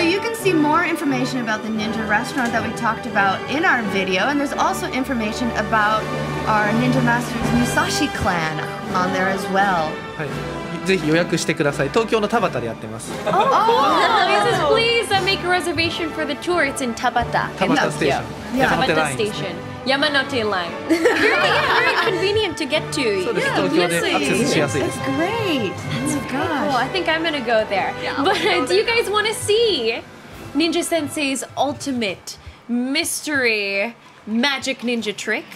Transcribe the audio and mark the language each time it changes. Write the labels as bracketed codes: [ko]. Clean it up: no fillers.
[en] you can see more information about the ninja restaurant that we talked about in our video, and there's also information about our Ninja Masters Musashi clan on there as well. [ja] ぜひ予約してください。東京の田端でやってます。 [en] Oh, cool. Please make a reservation for the tour. It's in Tabata. Tabata Station. Tabata Station. Yamanote Line. Very convenient to get to. [ja] そうです。東京でアクセスしやすいです。 [en] That's great. Oh my gosh. I think I'm gonna go there. But do you guys want to see Ninja Sensei's ultimate mystery magic ninja trick?